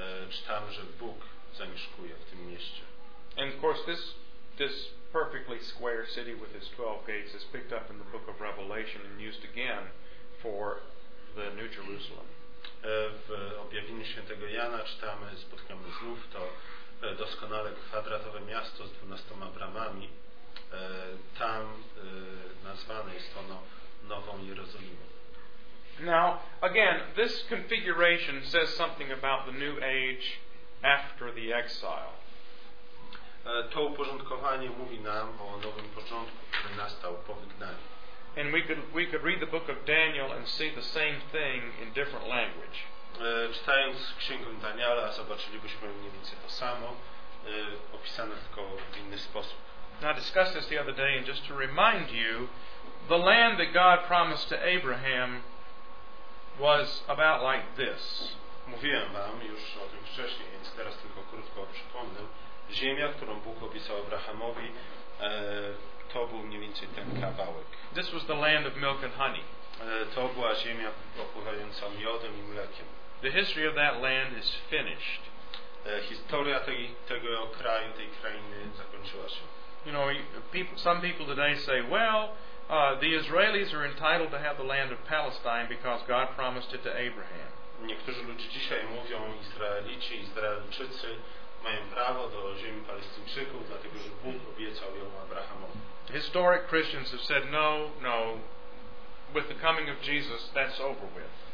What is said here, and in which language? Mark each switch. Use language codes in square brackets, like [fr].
[pl] Czytamy, że Bóg zamieszkuje w tym mieście. [en] And of course this perfectly square city with its 12 gates is picked up in the book of Revelation and used again for the New Jerusalem. [pl] W objawieniu świętego Jana czytamy, spotkamy znów to doskonale kwadratowe miasto z 12 bramami. Tam nazwane jest ono Nową Jerozolimą. [en] Now, again, this configuration says something about the new age after the exile. [pl] To uporządkowanie mówi nam o nowym początku, który nastał po wygnaniu. [en] And we could read the book of Daniel and see the same thing in different language. [pl] Czytając księgę Daniela, zobaczylibyśmy mniej więcej to samo, opisane tylko w inny sposób. [en] Now, I discussed this the other day, and just to remind you, the land that God promised to Abraham was about like this. [pl] Mówiłem wam już o tym wcześniej, więc teraz tylko krótko przypomnę. Ziemia, którą Bóg obiecał Abrahamowi, to był mniej więcej ten kawałek. [en] This was the land of milk and honey. [pl] To była ziemia opływająca miodem i mlekiem. [en] The history of that land is finished. [pl] Historia tego kraju, tej krainy zakończyła się. [en] You know, some people today say, well, the Israelis are entitled to have the land of Palestine because God promised it to Abraham. [pl] Niektórzy ludzie dzisiaj mówią, Izraelici, Izraelczycy mają prawo do ziemi Palestyńczyków, dlatego że Bóg obiecał ją Abrahamowi. [en] Historic Christians have said, no, with the coming of Jesus, that's over with.